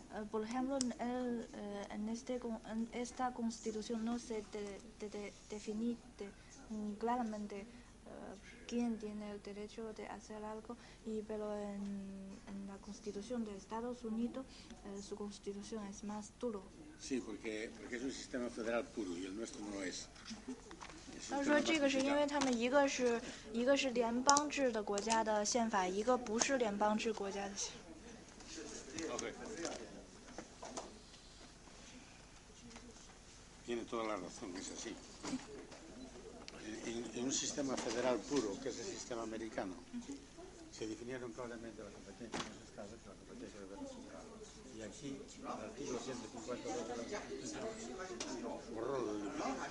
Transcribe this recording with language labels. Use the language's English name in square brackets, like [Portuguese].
[Spanish] Por ejemplo, en esta constitución no se define claramente quién tiene el derecho de hacer algo, pero en la constitución de Estados Unidos su constitución es más duro. Sí, porque es un sistema federal puro y el nuestro no es. [Chinese] 他说这个是因为他们一个是联邦制的国家的宪法，一个不是联邦制国家的宪法。 [English] Okay. [Spanish] Tiene toda la razón, es así. En un sistema federal puro, que es el sistema americano, se definieron claramente las competencias de los estados y las competencias de los estados. Y aquí, el artículo 152 de la Constitución borró lo de la Constitución.